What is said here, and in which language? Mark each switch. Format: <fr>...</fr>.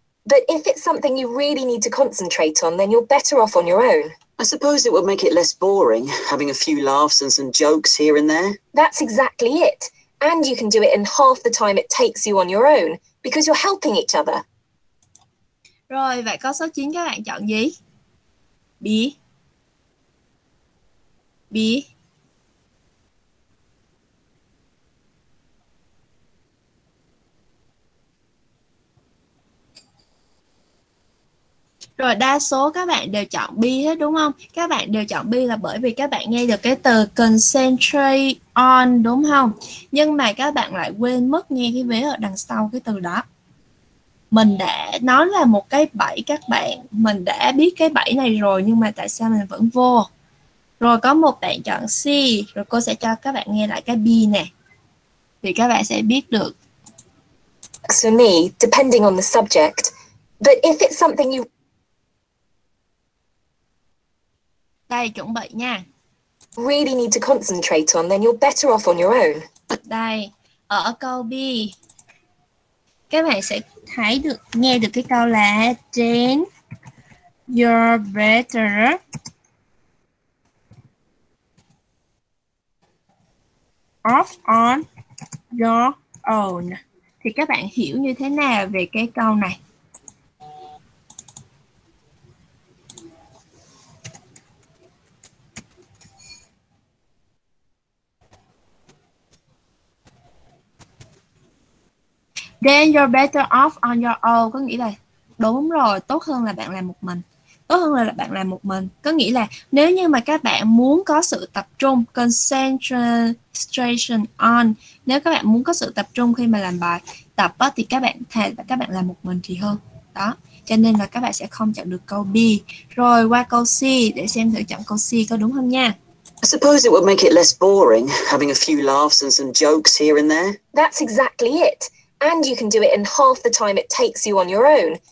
<en>But if it's something you really need to concentrate on, then you're better off on your own. I suppose it would make it less boring, having a few laughs and some jokes here and there. That's exactly it. And you can do it in half the time it takes you on your own, because you're helping each other.</en> <vi>Rồi, vậy câu số 9 các bạn chọn gì? B. B. Rồi đa số các bạn đều chọn B hết đúng không? Các bạn đều chọn B là bởi vì các bạn nghe được cái từ concentrate on đúng không? Nhưng mà các bạn lại quên mất nghe cái vế ở đằng sau cái từ đó. Mình đã nói là một cái bẫy các bạn. Mình đã biết cái bẫy này rồi nhưng mà tại sao mình vẫn vô? Rồi có một bạn chọn C. Rồi cô sẽ cho các bạn nghe lại cái B nè. Thì các bạn sẽ biết được.</vi> <en>So me, depending on the subject. But if it's something you...</en> <vi>Đây, chuẩn bị nha.</vi> <en>Really need to concentrate on, then you're better off on your own.</en> <vi>Đây, ở câu B, các bạn sẽ thấy được, nghe được cái câu là</vi> <en>then you're better. Off on your own.</en> <vi>Thì các bạn hiểu như thế nào về cái câu này?</vi> <en>Then you're better off on your own.</en> <vi>Có nghĩa là đúng rồi, tốt hơn là bạn làm một mình. Tốt hơn là bạn làm một mình. Có nghĩa là nếu như mà các bạn muốn có sự tập trung, concentration on, nếu các bạn muốn có sự tập trung khi mà làm bài tập đó, thì các bạn thề các bạn làm một mình thì hơn. Đó, cho nên là các bạn sẽ không chọn được câu B. Rồi qua câu C để xem thử chọn câu C có đúng không nha.</vi> <en>I suppose it would make it less boring, having a few laughs and some jokes here and there. That's exactly it. And you can do it in half the time it takes you on your own.</en>